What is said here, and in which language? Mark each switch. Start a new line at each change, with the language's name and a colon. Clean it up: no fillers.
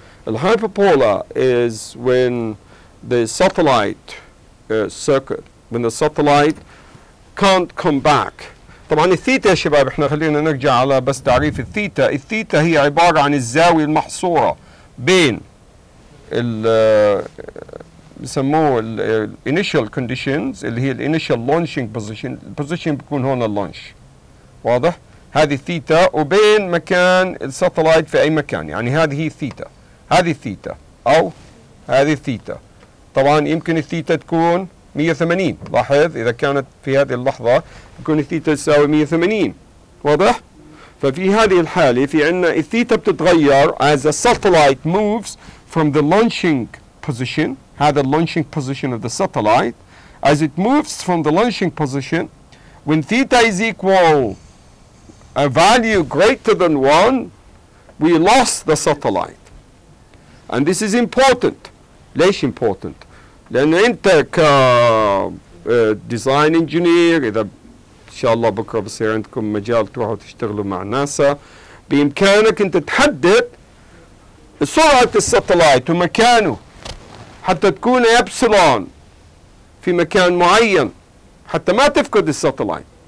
English: ال hyperbola is when the satellite circuit when the satellite can't come back.
Arabic: طبعا الثيتا يا شباب احنا خلينا نرجع على بس تعريف الثيتا. الثيتا هي عبارة عن الزاوية المحصورة بين ال بسموه ال
English: initial conditions
Arabic: اللي هي ال
English: initial launching position.
Arabic: position بيكون هون اللونش واضح؟ هذه الثيتا وبين مكان الساتلايت في اي مكان يعني هذه هي الثيتا هذه الثيتا او هذه الثيتا. طبعا يمكن الثيتا تكون 180. لاحظ إذا كانت في هذه اللحظة يكون الثيتا تساوي 180 واضح؟ ففي هذه الحالة في عنا الثيتا بتتغير
English: as a satellite moves from the launching position. هذا the launching position of the satellite. As it moves from the launching position when theta is equal a value greater than 1 we lost the satellite. And this is important.
Arabic: ليش important؟ لأن أنت ك ديزاين إنجينير إذا إن شاء الله بكرة بصير عندكم مجال تروحوا تشتغلوا مع ناسا بإمكانك أنت تحدد سرعة الساتلايت ومكانه حتى تكون إبسلون في مكان معين حتى ما تفقد الساتلايت.